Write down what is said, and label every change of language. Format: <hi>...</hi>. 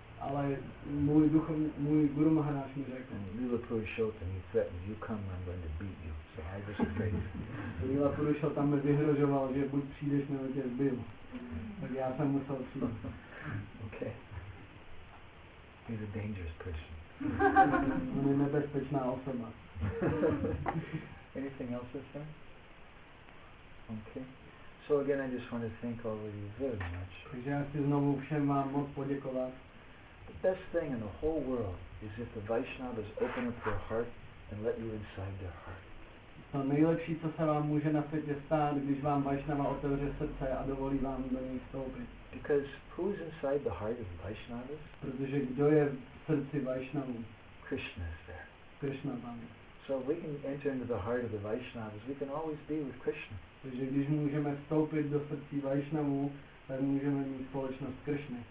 <cs>Ale můj duchovní, můj Guru Maharaj mi řekl.</cs> <en>And Lila Purushottam, he threatened, you come, I'm going to beat you. So</en> <cs>Lila Purushottam mi vyhrožoval, že buď přijdeš, nebo tě zbyl. Tak já jsem musel přijít.</cs> <en>Okay. He's a dangerous person.</en> <cs>On je nebezpečná osoba.</cs> <en>Anything else to say? Okay. So again, I just want to thank all of you very much.</en> <cs>Takže já chci znovu všem vám moc poděkovat.</cs> <en>The best thing in the whole world is if the Vaishnavas open up their heart and let you inside their heart.</en> <cs>To nejlepší, co se vám může na světě stát, když vám Vaishnava otevře srdce a dovolí vám do něj vstoupit.</cs> <en>Because who's inside the heart of the Vaishnavas?</en> <cs>Protože kdo je v srdci Vaishnavu?</cs> <en>Krishna is there.</en> <cs>Krishna tam je.</cs> <en>So if we can enter into the heart of the Vaishnavas, we can always be with Krishna.</en> <cs>Takže když můžeme vstoupit do srdcí Vaishnavu, tak můžeme mít společnost Krishny.</cs>